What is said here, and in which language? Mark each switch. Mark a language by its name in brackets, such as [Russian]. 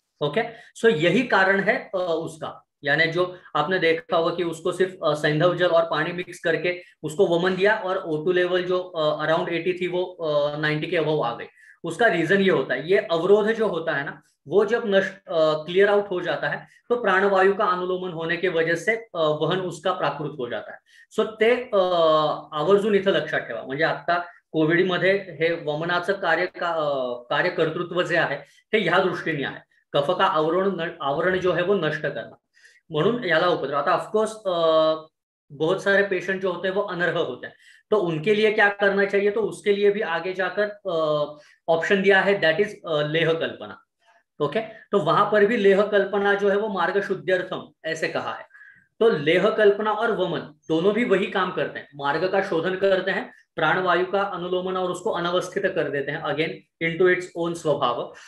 [Hindi] Okay, सो यही कारण है उसका, यानी जो आपने देखा होगा कि उसको सिर्फ सैंधव जल और पानी मिक्स करके उसको वमन दिया और O2 लेवल जो अराउंड 80 थी वो 90 के अबव आ गई, उसका रीजन ये होता है। ये अवरोध जो होता है ना वो जब नष्ट क्लियर आउट हो जाता है तो प्राणवायु का अनुलोमन होने के वजह से वहन उसका प्राकृत हो जाता है। [Marathi] सो ते आवर्जून इथं लक्षात ठेवा, म्हणजे आता कोविड मध्ये हे वमनाचं कार्यकर्तृत्व जे आहे हे ह्या दृष्टीने आहे, [Hindi] कफ का आवरण जो है वो नष्ट करना, [Marathi] म्हणून याला उपद्रव। [Hindi] आता ऑफकोर्स बहुत सारे पेशंट जो होते हैं वो अनर्ह होते हैं तो उनके लिए क्या करना चाहिए, तो उसके लिए भी आगे जाकर ऑप्शन दिया है, [English] that is [Hindi] Leh Kalpana. Okay, तो वहां पर भी लेह कल्पना जो है वो मार्ग शुद्ध्यर्थम ऐसे कहा है, तो लेह कल्पना और वमन दोनों भी वही काम करते हैं, मार्ग का शोधन करते हैं, प्राणवायु का अनुलोमन और उसको अनवस्थित कर देते हैं [English] again into its own [Hindi] स्वभाव।